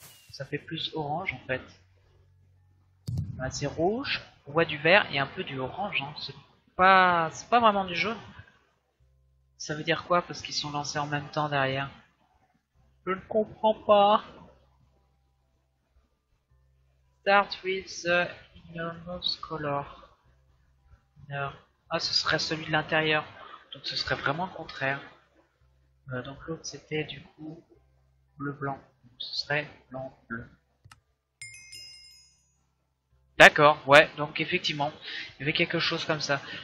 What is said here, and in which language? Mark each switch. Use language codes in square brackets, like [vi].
[fr] Ça fait plus orange en fait. Ben, c'est rouge, on voit du vert et un peu du orange. Hein. C'est pas vraiment du jaune. Ça veut dire quoi? Parce qu'ils sont lancés en même temps derrière. Je ne comprends pas. [en] Start with the innermost color. Inner. [fr] Ah, ce serait celui de l'intérieur. Donc ce serait vraiment le contraire. Donc l'autre c'était du coup bleu blanc. Donc, ce serait blanc bleu. D'accord, ouais, donc effectivement, il y avait quelque chose comme ça.